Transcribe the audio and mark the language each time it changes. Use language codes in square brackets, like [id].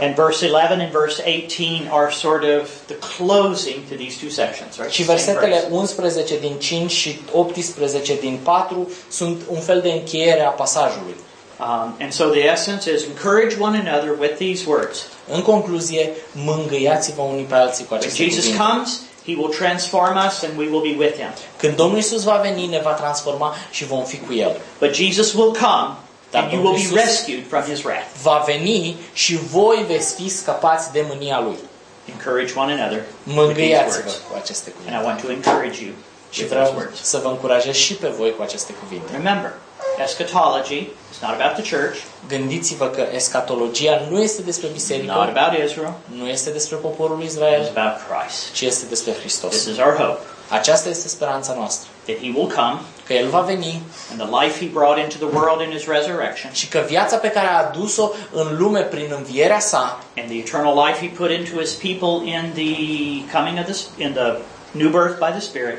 [en] And verse 11 and verse 18 are sort of the closing to these two sections, right? [ro] Și versetele 11 din 5 și 18 din 4 sunt un fel de încheiere a pasajului. [en] And so the essence is encourage one another with these words. [ro] În concluzie, mângâiați-vă unii pe alții cu aceste cuvinte. [en] Jesus comes, He will transform us and we will be with him. [ro] Când Domnul Iisus va veni, ne va transforma și vom fi cu el. [en] But Jesus will come and you will be rescued from his wrath. [ro] Va veni și voi veți fi scăpați de mânia lui. [en] Encourage one another. [ro] Mângâiați-vă cu aceste cuvinte. [en] And I want to encourage you. [ro] Și vreau să vă încurajez și pe voi cu aceste cuvinte. [en] Remember, eschatology is not about the church. [ro] Gândiți-vă că eschatologia nu este despre biserică. [en] Not about Israel. [ro] Nu este despre poporul Israel. [en] It's about Christ. [ro] Ci este despre Hristos. [en] This is our hope. [ro] Aceasta este speranța noastră. [en] That he will come. [ro] Că el va veni. [en] And the life he brought into the world in his resurrection. [ro] Și că viața pe care a adus-o în lume prin învierea sa. [en] And the eternal life he put into his people in the coming of this in the new birth by the Spirit.